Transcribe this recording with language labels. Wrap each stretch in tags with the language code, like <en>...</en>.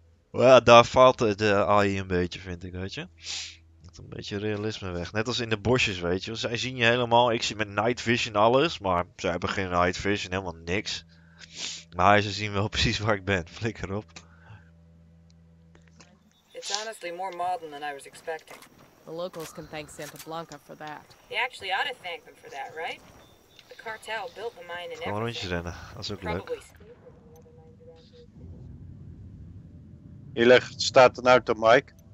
<nl>Ja, daar valt de AI een beetje, vind ik, weet je. Met een beetje realisme weg. Net als in de bosjes, weet je. Zij zien je helemaal. Ik zie met night vision alles, maar zij hebben geen night vision, helemaal niks. Maar ze zien wel precies waar ik ben. Flikker op.</nl> <en>It's honestly more modern than I was expecting. The locals can thank Santa Blanca for that. They actually ought to thank them for that, right? The cartel built the mine and everything.</en> <nl>Rondjes rennen, dat is ook leuk. Hier ligt, staat een auto, Mike.</nl>